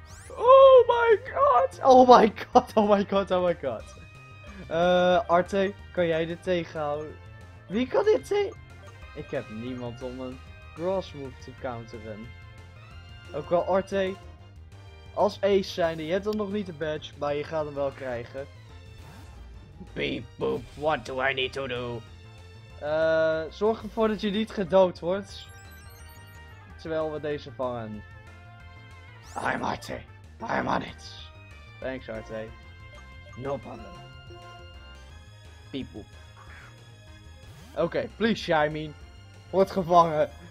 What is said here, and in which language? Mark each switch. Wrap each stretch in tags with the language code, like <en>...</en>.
<en>Oh my god. Oh my god. Oh my god. Oh my god.</en> <nl>Arte, kan jij dit tegenhouden? Wie kan dit tegen? Ik heb niemand om een cross move te counteren. Ook wel Arte. Als ace zijnde, je hebt dan nog niet de badge, maar je gaat hem wel krijgen.</nl> <en>Beep boop, what do I need to do?</en> <nl>Zorg ervoor dat je niet gedood wordt. Terwijl we deze vangen.</nl> <en>I'm Arte. I'm on it. Thanks Arte. No problem.</en> <nl>Oké, please Shymin. Word gevangen.</nl>